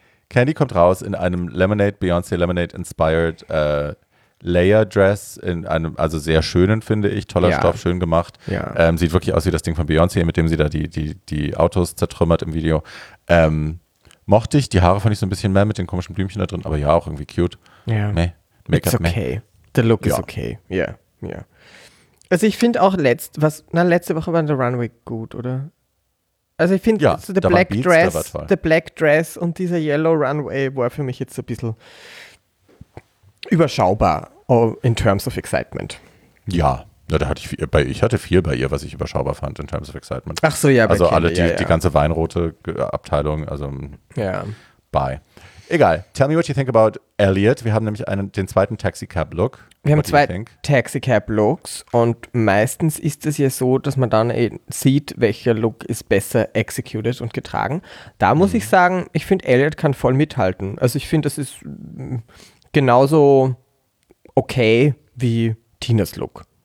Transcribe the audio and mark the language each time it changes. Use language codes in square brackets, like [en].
[de] Candy kommt raus in einem Lemonade, Beyoncé Lemonade-inspired Layer-Dress, in einem, also sehr schönen, finde ich. Toller Stoff, schön gemacht. Ja. Sieht wirklich aus wie das Ding von Beyoncé, mit dem sie da die Autos zertrümmert im Video. Mochte ich. Die Haare fand ich so ein bisschen mehr mit den komischen Blümchen da drin, aber ja, auch irgendwie cute. Ja. Meh. [en] Make-up, it's okay. Meh. The look is okay. Yeah. [de] Also ich finde auch letzte Woche war der Runway gut, oder? Also ich finde, ja, so der Black Beats, Dress, der Black Dress und dieser Yellow Runway war für mich jetzt so ein bisschen überschaubar [en] in terms of excitement. [de] Ja, na, da hatte ich viel, ich hatte viel bei ihr, was ich überschaubar fand [en] in terms of excitement. [de] Ach so, ja, also bei alle Kinder, die ganze weinrote Abteilung, also ja. [en] Bye. Egal, tell me what you think about Elliot. [de] Wir haben nämlich den zweiten Taxicab-Look. Wir haben zwei Taxicab-Looks und meistens ist es ja so, dass man dann sieht, welcher Look ist besser executed und getragen. Da muss ich sagen, ich finde, Elliot kann voll mithalten. Also ich finde, das ist genauso okay wie Tinas Look.